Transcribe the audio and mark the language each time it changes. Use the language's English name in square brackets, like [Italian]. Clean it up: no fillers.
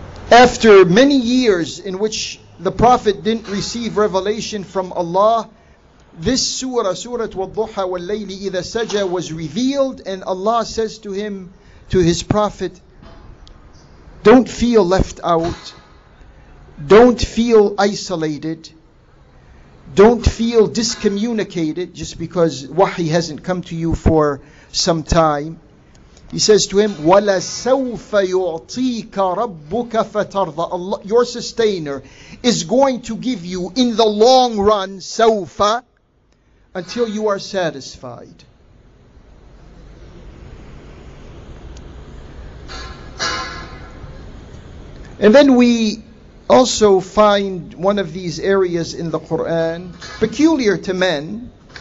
[English] After many years in which the Prophet didn't receive revelation from Allah, this surah, Surah Al-Duha, [Arabic] wal-layli idha saja, [English] was revealed, and Allah says to him, to his Prophet, don't feel left out, don't feel isolated, don't feel discommunicated just because wahi hasn't come to you for some time. He says to him, [Arabic] وَلَا سَوْفَ يُعْطِيكَ رَبُّكَ فَتَرْضَ. [English] Allah, your sustainer, is going to give you in the long run, سَوْفَ, until you are satisfied. And then we also find one of these areas in the Quran, peculiar to men.